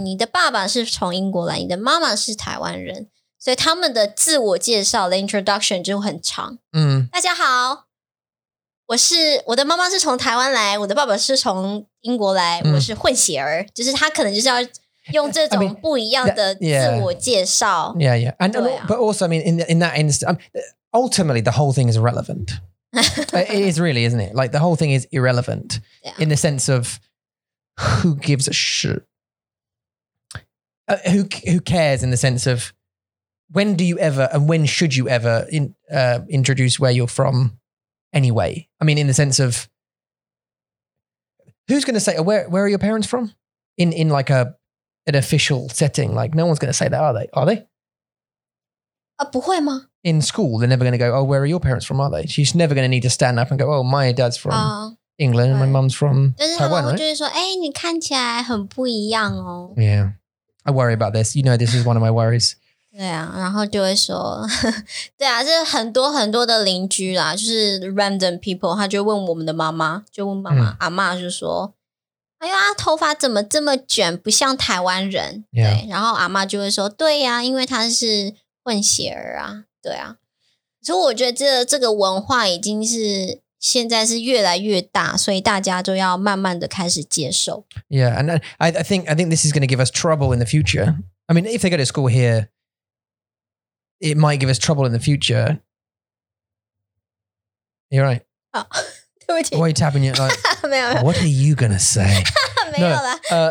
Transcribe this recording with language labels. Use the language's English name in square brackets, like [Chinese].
[Chinese] 你的爸爸是从英国来, 你的妈妈是台湾人, 所以他们的自我介绍, [English] the introduction [Chinese] 就很长, 大家好, 我的妈妈是从台湾来，我的爸爸是从英国来，我是混血儿，就是他可能就是要用这种不一样的自我介绍。 [English] I mean, yeah, yeah. And but also, I mean, in that instance, ultimately, the whole thing is irrelevant. It is really, isn't it? Like the whole thing is irrelevant in the sense of who gives a shit. Who cares? In the sense of when do you ever and when should you ever introduce where you're from? Anyway, I mean, in the sense of who's going to say, where are your parents from? In like an official setting, like no one's going to say that, are they? Are they? [Chinese] 不会吗? [English] In school, they're never going to go, oh, where are your parents from? Are they? She's never going to need to stand up and go, oh, my dad's from England and my mum's from Taiwan, right? Yeah. I worry about this. You know, this is one of my worries. [Chinese] 对啊，然后就会说，对啊，就是很多很多的邻居啦，就是 [English] random people， [Chinese] 他就问我们的妈妈，就问妈妈，阿嬷就说，哎呀，头发怎么这么卷，不像台湾人？对，然后阿嬷就会说，对呀，因为他是混血儿啊，对啊。所以我觉得这个文化已经是现在是越来越大，所以大家就要慢慢的开始接受。Yeah, [English] and I think this is going to give us trouble in the future. I mean, if they go to school here, it might give us trouble in the future. You're right. Oh, why are you tapping it? Like, what are you going to say? No,